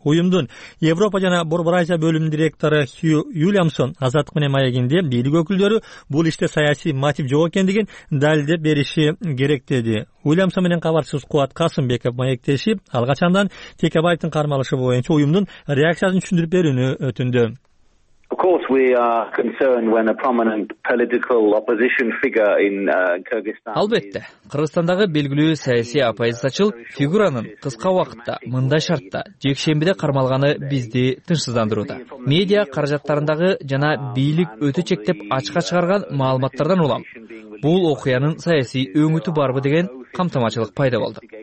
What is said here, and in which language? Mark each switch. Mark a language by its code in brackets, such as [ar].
[ky] Уюмдун Европа жана Борбор Азия бөлүмүнүн директору Хью Юлиамсон Азаттык менен маегинде бийлик өкүлдөрү бул иште саясий мотив жок экендигин далилдеп бериши керек деди. Уильямсон менен кабарчыбыз Кубат Касымбеков маектешип, ал качандан Текебаевдин кармалышы боюнча уюмдун реакциясын түшүндүрүп берүүнү өтүндү. [en] Of course we are concerned when a prominent political opposition figure in Kyrgyzstan. [ky] Албетте, Кыргызстандагы белгилүү саясий оппозициячыл фигуранын кыска убакытта мындай шартта жекшембиде кармалганы бизди тынчсыздандырууда. Медиа каражаттарындагы жана бийлик өтө чектеп ачыкка чыгарган маалыматтардан улам бул окуянын саясий өңүтү барбы деген камтамачылык пайда болду.